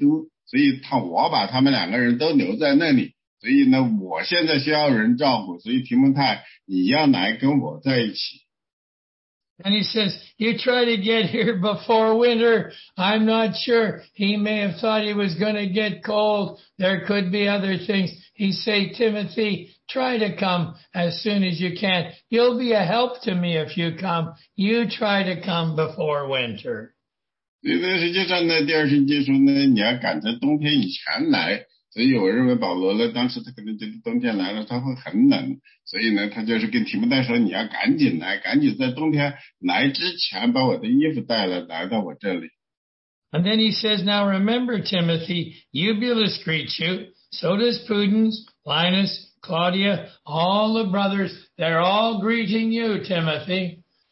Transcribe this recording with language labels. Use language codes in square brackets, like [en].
[zh] 实际上呢，这个以拉都呢，特罗菲呢，他们可能在其他的这个国家的其他的部分呢传福音，所以呢，他跟提摩太说，以拉都呢，他在格林多，然后特罗菲摩呢，他也病了，他留在米利都，所以他我把他们两个人都留在那里。所以呢，我现在需要人照顾，所以提摩太，你要来跟我在一起。 [en] And he says, you try to get here before winter. I'm not sure. He may have thought he was going to get cold. There could be other things. He say, Timothy, try to come as soon as you can. You'll be a help to me if you come. You try to come before winter. [zh] 第二天就是你要赶在冬天以前来。所以我认为保罗呢，当时他可能就是冬天来了，他会很冷，所以呢，他就是跟提摩太说，你要赶紧来，赶紧在冬天来之前把我的衣服带了，来到我这里。 [en] And then he says, now remember, Timothy, Eubulus greets you, so does Pudens, Linus, Claudia, all the brothers, they're all greeting you, Timothy.